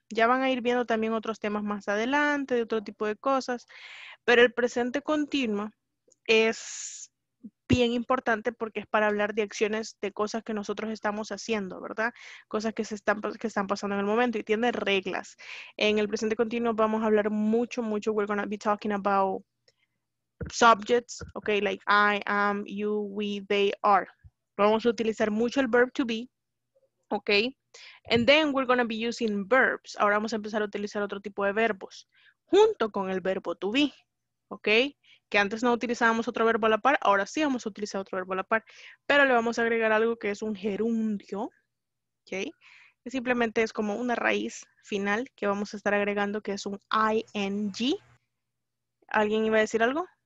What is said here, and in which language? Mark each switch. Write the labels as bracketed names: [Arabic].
[Spanish] Ya van a ir viendo también otros temas más adelante, de otro tipo de cosas, pero el presente continuo es bien importante porque es para hablar de acciones, de cosas que nosotros estamos haciendo, ¿verdad? Cosas que están pasando en el momento y tiene reglas. En el presente continuo vamos a hablar mucho, mucho. [English] We're going to be talking about subjects, okay? Like I, am, you, we, they, are. [Spanish] Vamos a utilizar mucho el [English] verb to be, okay? And then we're going to be using verbs. [Spanish] Ahora vamos a empezar a utilizar otro tipo de verbos junto con el verbo to be, okay? Que antes no utilizábamos otro verbo a la par, ahora sí vamos a utilizar otro verbo a la par. Pero le vamos a agregar algo que es un gerundio, ¿ok? Que simplemente es como una raíz final que vamos a estar agregando, que es un ing. ¿Alguien iba a decir algo?